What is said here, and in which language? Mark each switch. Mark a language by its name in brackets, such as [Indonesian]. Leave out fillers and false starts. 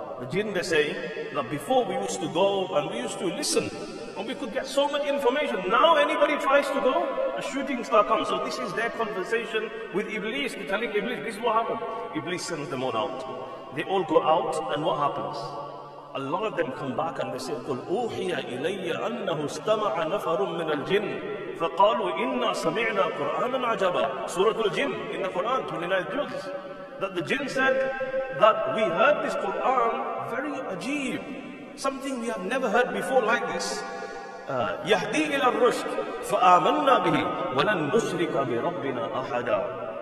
[English] The jinn, they say, that before we used to go and we used to listen and we could get so much information. Now anybody tries to go, a shooting star comes. So this is their conversation with Iblis, telling Iblis, this is what happened. Iblis sends them all out. They all go out and what happens? A lot of them come back and they say, [Arabic] قُلْ أُوحِيَ إِلَيَّ أَنَّهُ اسْتَمَعَ نَفَرٌ مِّنَ الْجِنِّ فَقَالُوا إِنَّا سَمِعْنَا قُرْآنًا عَجَبًا. [English] Suratul Jinn in the Quran, 29th juz. That the jinn said that we heard this Quran very ajeeb, something we have never heard before like this. [Arabic] يَهْدِي إِلَى الرُّشْدِ فَآمَنَّا بِهِ وَلَنْ نُشْرِكَ بِرَبِّنَا أَحَدًا.